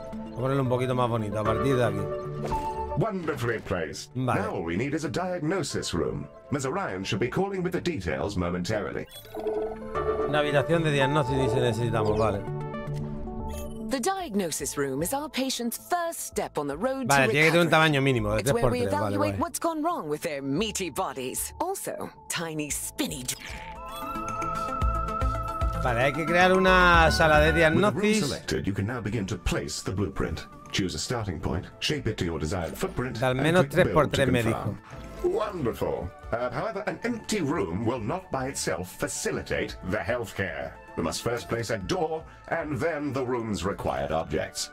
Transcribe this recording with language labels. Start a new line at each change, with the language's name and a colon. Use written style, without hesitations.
Spanish: Voy a ponerlo un poquito más bonito a partir de aquí.
English: Wonderfully placed. Vale. Now all we need is a diagnosis room. Ms. Orion should be calling with the details momentarily.
Spanish: Una habitación de diagnóstico dice necesitamos, vale.
English: The diagnosis room is our patient's first step on the road.
Spanish: Vale,
English: to
Spanish: tiene que tener un tamaño mínimo de 3x3, vale.
English: It's where we evaluate what's gone wrong with their meaty bodies. Also, tiny spinach.
Spanish: Vale, hay que crear una sala de diagnóstico.
English: Selected, you can now begin to place the blueprint. Choose a starting point, shape it to your desired footprint.
Spanish: Al menos 3x3 me dijo.
English: Wonderful. However, an empty room will not by itself facilitate the healthcare. We must first place a door and then the room's required objects.